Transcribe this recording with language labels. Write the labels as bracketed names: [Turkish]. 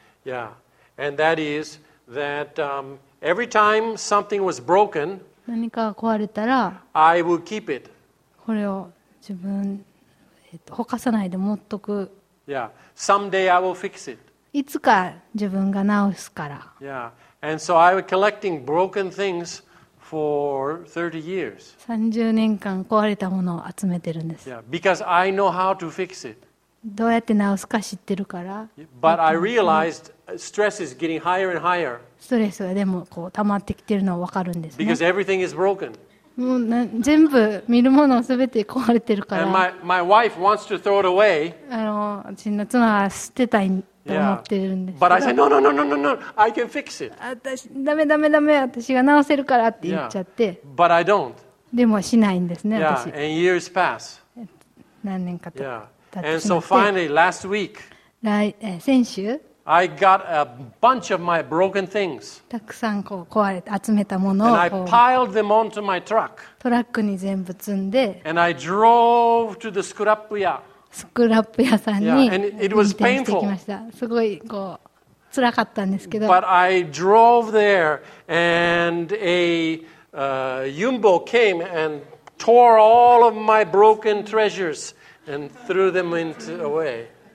[English] Yeah, and that is that every time something was broken, [Japanese] 何かが壊れたら、 [English] I would keep it. [Japanese] これを自分、ほかさないで持っとく。 [English] Yeah, someday I will fix it. [Japanese] いつか自分が直すから。 [English] Yeah, and so I was collecting broken things for 30 years. [Japanese] 30年間壊れたものを集めてるんです。 [English] Yeah, because I know how to fix it. [Japanese] どうやって直すか知ってるから。 [English] But I realized stress is getting higher and higher. [Japanese] ストレスがでもこう溜まってきてるのは分かるんですね。 [English] Because everything is broken. [Japanese] もう全部見るものすべて壊れてるから。 [English] And my wife wants to throw it away. [Japanese] 私の妻は捨てたいと思ってるんです。 [English] But I said no. I can fix it. [Japanese] 私ダメ私が直せるからって言っちゃって。 [English] Yeah. But I don't. [Japanese] でもしないんですね私。 [English] Yeah. And years pass. [Japanese] 何年か経って。 [English] And so finally, last week, [Japanese] 先週、 [English] I got a bunch of my broken things. [Japanese] たくさんこう壊れて集めたものを、 [English] and I piled them onto my truck. [Japanese] トラックに全部積んで、 [English] and I drove to the scrap yard. [Japanese] スクラップ屋さんに、 [English] yeah, and it was painful. [Japanese] すごいこう辛かったんですけど、 [English] but I drove there, and a Yumbo came and tore all of my broken treasures. And threw them into away.